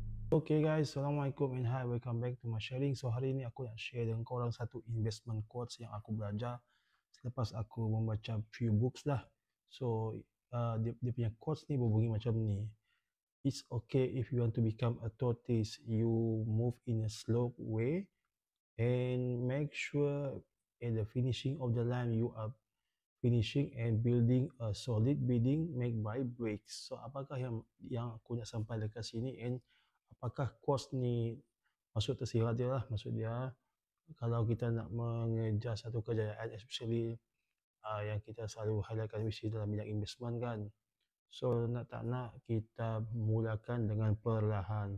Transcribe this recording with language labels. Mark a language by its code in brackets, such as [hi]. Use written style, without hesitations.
[en] Okay guys, assalamualaikum and hi, welcome back to my sharing. So [ms] hari ini aku nak share dengan korang satu [en] investment quotes [ms] yang aku belajar selepas aku membaca [en] few books [ms] lah. So dia punya quotes ni berbunyi macam ni. [en] It's okay if you want to become a tortoise, you move in a slow way and make sure at the finishing of the line you are finishing and building a solid building made by bricks. So [ms] apakah yang aku nak sampai dekat sini [en] and [ms] apakah quotes ni maksud tersirat dia lah. Maksud dia kalau kita nak mengejar satu kejayaan, [en] especially [ms] yang kita selalu highlightkan misi dalam bidang investment kan. So nak tak nak kita mulakan dengan perlahan.